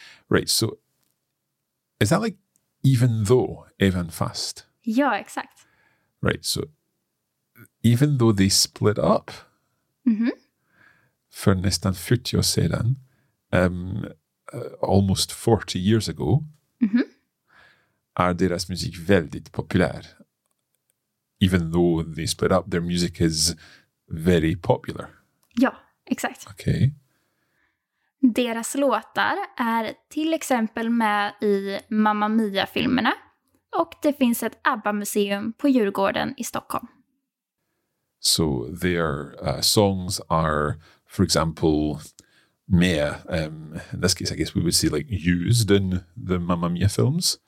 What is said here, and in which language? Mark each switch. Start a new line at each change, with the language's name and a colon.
English: Right, so is that like even though,
Swedish: även fast? Ja, exakt.
English: Right, so even though they split up
Swedish: för nästan 40 år sedan,
English: almost 40 years ago,
Swedish: är deras musik väldigt populär.
English: Even though they split up, their music is very popular.
Swedish: Ja, exakt.
English: Okay.
Swedish: Deras låtar är till exempel med i Mamma Mia-filmerna och det finns ett ABBA-museum på Djurgården i Stockholm.
English: So their songs are, for example, med, in this case I guess we would say like used in the Mamma Mia films.